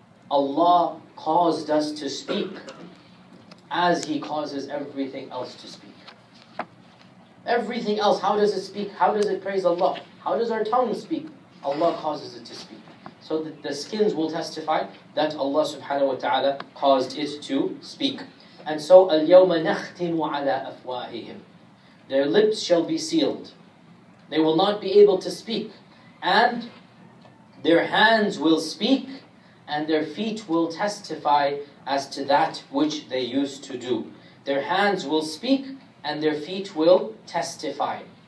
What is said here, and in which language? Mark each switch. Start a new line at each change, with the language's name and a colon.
English: Allah caused us to speak as He causes everything else to speak. Everything else, how does it speak? How does it praise Allah? How does our tongue speak? Allah causes it to speak. So that the skins will testify that Allah subhanahu wa ta'ala caused it to speak. And so,
Arabic: الْيَوْمَ نَخْتِمُ عَلَىٰ أَفْوَاهِهِمْ.
English: Their lips shall be sealed. They will not be able to speak. And their hands will speak, and their feet will testify as to that which they used to do. Their hands will speak, and their feet will testify.